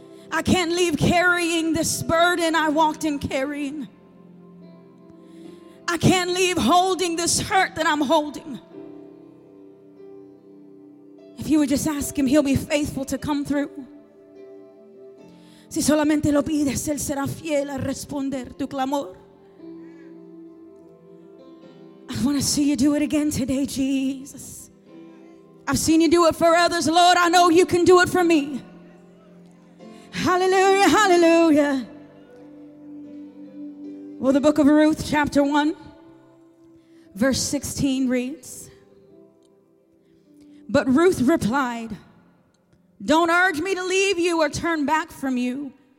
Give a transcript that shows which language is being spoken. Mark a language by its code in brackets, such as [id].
[en] I can't leave carrying this burden I walked in carrying. I can't leave holding this hurt that I'm holding. If you would just ask him, he'll be faithful to come through. [es] Si solamente lo pides, él será fiel a responder tu clamor. [en] I want to see you do it again today, Jesus. I've seen you do it for others, Lord. I know you can do it for me. Hallelujah, hallelujah. Well, the book of Ruth, chapter 1, verse 16 reads, "But Ruth replied, 'Don't urge me to leave you or turn back from you.